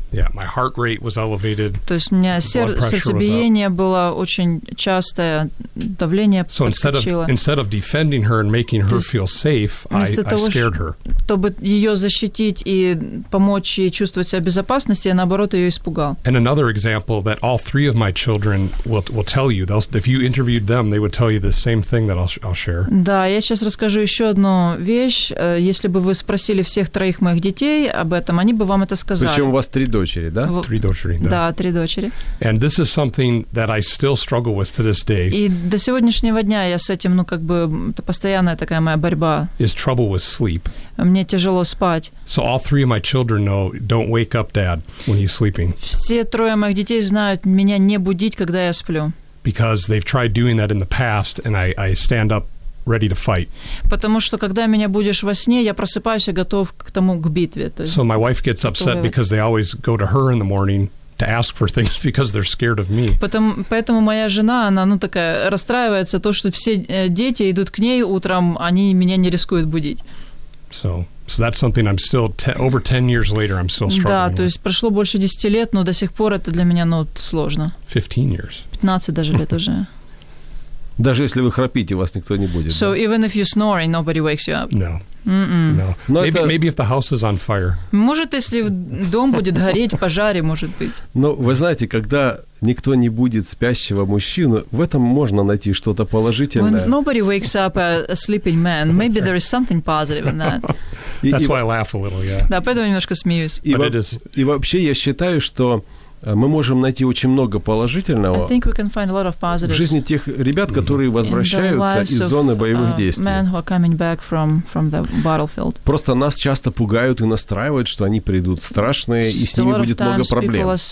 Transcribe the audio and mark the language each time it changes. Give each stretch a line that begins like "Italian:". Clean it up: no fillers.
English: Yeah, my heart rate was elevated.
Russian: То есть у меня сердцебиение было очень частое, давление подскочило.
English: So instead of defending her and making her feel safe, I scared her.
Russian: Чтобы ее защитить и помочь ей чувствовать себя в безопасности, я наоборот ее испугал.
English: And another example that all three of my children will tell you, if you interviewed them, they would tell you the same thing that I'll share.
Russian: Да, я сейчас расскажу еще одну вещь. Если бы вы спросили всех троих моих детей об этом, они бы вам это сказали. Причем у вас три дочери, да? Три дочери, да. Да, три дочери.
English: And this is something that I still struggle with to this day.
Russian: И до сегодняшнего дня я с этим, ну, как бы, это постоянная такая моя борьба.
English: Is trouble with sleep.
Russian: Мне тяжело спать.
English: So all three of my children know, don't wake up dad when he's sleeping.
Russian: Все трое моих детей знают меня не будить, когда я сплю.
English: Because they've tried doing that in the past, and I stand up ready to fight.
Russian: Потому что когда меня будешь во сне, я просыпаюсь и готов к тому, к битве. То есть,
English: so my wife gets upset because they always go to her in the morning to ask for things because they're scared of me.
Russian: Поэтому моя жена, она, ну, такая, расстраивается то, что все дети идут к ней утром, они меня не рискуют будить.
English: So that's something I'm still over 10 years later I'm still struggling.
Russian: Да, то есть прошло больше 10 лет, но до сих пор это для меня, ну, сложно.
English: 15 years.
Russian: 15 даже лет уже. Даже если вы храпите, вас никто не будет.
English: So
Russian: да?
English: Even if you're snoring, nobody wakes you up. No. Mm-mm. No. Maybe if the house is on fire.
Russian: Может, если дом будет гореть, пожаре, может быть. Но вы знаете, когда никто не будет спящего мужчину, в этом можно найти что-то положительное.
English: When nobody wakes up a sleeping man, maybe right. There is something positive in that. That's why I laugh a little, yeah.
Russian: Да, поэтому немножко смеюсь. И вообще я считаю, что мы можем найти очень много положительного в жизни тех ребят, которые возвращаются из зоны боевых действий. Просто нас часто пугают и настраивают, что они придут страшные, и с ними будет много проблем.